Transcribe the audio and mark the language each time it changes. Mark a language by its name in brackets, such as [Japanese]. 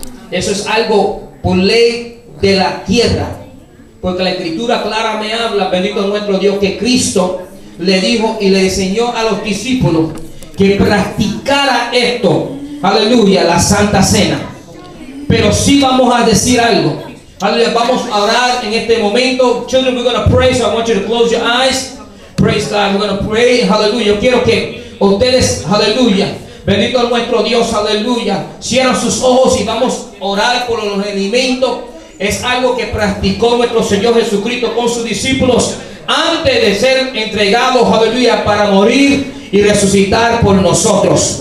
[Spanish] Eso es algo por ley de la tierra. Porque la escritura clara me habla, bendito nuestro Dios, que Cristo le dijo y le enseñó a los discípulos que practicara esto, aleluya, la Santa Cena. Pero sí vamos a decir algo. Aleluya, vamos a orar en este momento. [English] Children, we're going to pray, so I want you to close your eyes. Praise God, we're going to pray, aleluya. [Spanish] Yo quiero que ustedes, aleluya, bendito nuestro Dios, aleluya, cierran sus ojos y vamos a orar por los rendimientos. Es algo que practicó nuestro Señor Jesucristo con sus discípulos antes de ser entregados, aleluya, para morir y resucitar por nosotros.